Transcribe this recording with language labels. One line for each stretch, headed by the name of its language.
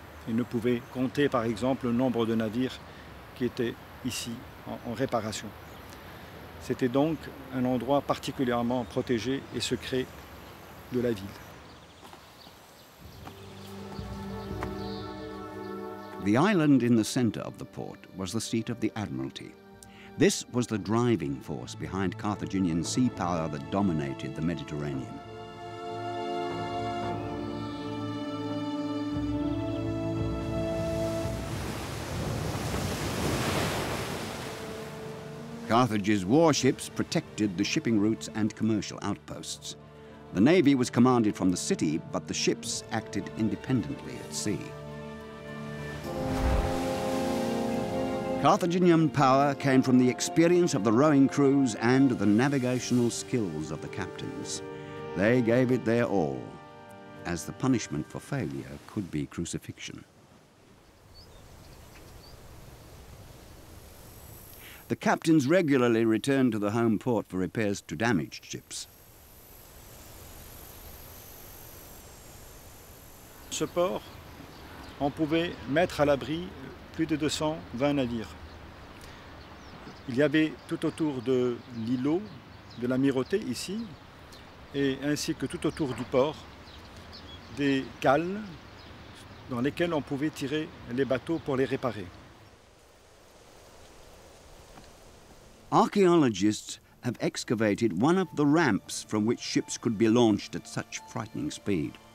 French: Ils ne pouvaient compter, par exemple, le nombre de navires qui étaient ici en réparation. C'était donc un endroit particulièrement protégé et secret de la ville.
English: The island in the center of the port was the seat of the Admiralty. This was the driving force behind Carthaginian sea power that dominated the Mediterranean. Carthage's warships protected the shipping routes and commercial outposts. The navy was commanded from the city, but the ships acted independently at sea. Carthaginian power came from the experience of the rowing crews and the navigational skills of the captains. They gave it their all, as the punishment for failure could be crucifixion. The captains regularly returned to the home port for repairs to damaged ships.
French: Ce port, on pouvait mettre à l'abri plus de 220 navires. Il y avait tout autour de l'îlot, de l'amirauté ici, et ainsi que tout autour du port, des cales dans lesquelles on pouvait tirer les bateaux pour les réparer.
English: Archaeologists have excavated one of the ramps from which ships could be launched at such frightening speed.